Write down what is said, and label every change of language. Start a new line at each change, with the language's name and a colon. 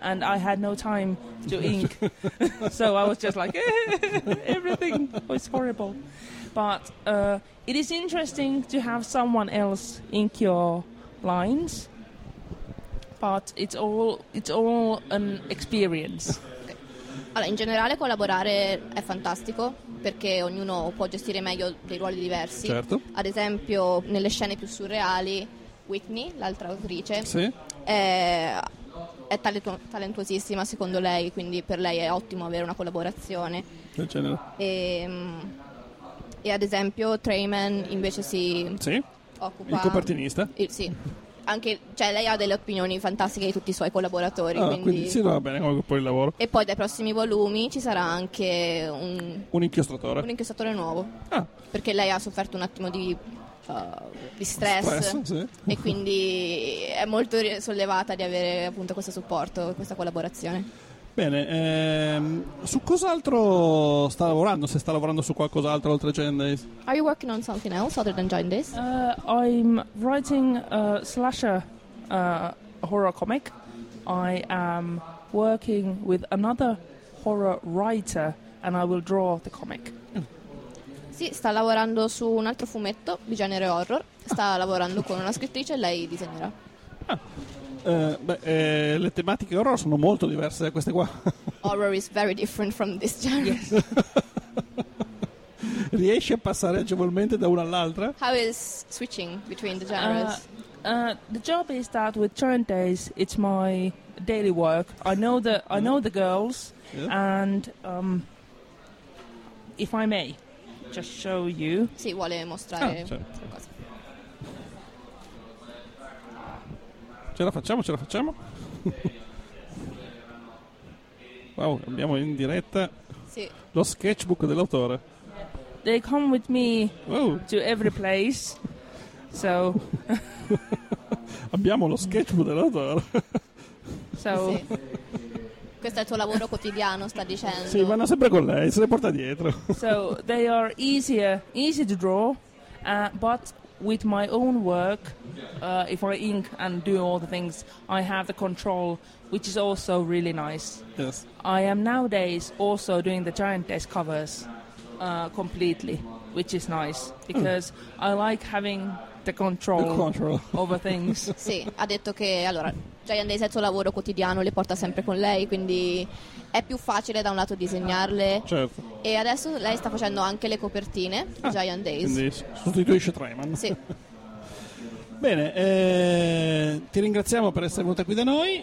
English: And I had no time to ink, so I was just like, everything was horrible. But it is interesting to have someone else ink your lines, but it's all an experience. Okay.
Italian: Allora, in generale collaborare è fantastico, perché ognuno può gestire meglio dei ruoli diversi. Certo. Ad esempio, nelle scene più surreali, Whitney, l'altra autrice, sì. È talentuosissima secondo lei, quindi per lei è ottimo avere una collaborazione. E ad esempio Treyman invece si occupa, il copertinista, sì, anche, cioè lei ha delle opinioni fantastiche di tutti i suoi collaboratori. Quindi sì, va bene, comunque poi il lavoro. E poi dai prossimi volumi ci sarà anche un inchiostratore nuovo. Ah. Perché lei ha sofferto un attimo di stress, sì. E quindi è molto sollevata di avere appunto questo supporto, questa collaborazione. Bene, su cos'altro sta lavorando? Se sta lavorando su qualcos'altro oltre Giant Days?
English: Are you working on something else other than Giant Days? I'm writing a slasher horror comic. I am working with another horror writer and I will draw the comic.
Italian: Sì, sta lavorando su un altro fumetto di genere horror. Sta lavorando con una scrittrice e lei disegnerà. Le tematiche horror sono molto diverse da queste qua.
English: Horror is very different from this genre. Yes.
Italian: Riesci a passare agevolmente da una all'altra?
English: How is switching between the genres? The job is that with Giant Days, it's my daily work. I know the girls, yeah. And if I may just show you.
Italian: Sì, vuole mostrare qualcosa. Ce la facciamo. Wow, abbiamo in diretta lo sketchbook dell'autore.
English: They come with me to every place. So
Italian: abbiamo lo sketchbook dell'autore.
English: So
Italian: questo è il tuo lavoro quotidiano, sta dicendo. Sì, vanno sempre con lei, se le porta dietro.
English: So, they are easy to draw, but with my own work, if I ink and do all the things, I have the control, which is also really nice. Yes. I am nowadays also doing the Giant Days covers. completely, which is nice because I like having the control over things.
Italian: Sì, ha detto che allora Giandese è il suo lavoro quotidiano, le porta sempre con lei, quindi è più facile da un lato disegnarle. Certo. E adesso lei sta facendo anche le copertine di Giant Days. Quindi sostituisce Treiman. Sì. Bene, ti ringraziamo per essere venuta qui da noi.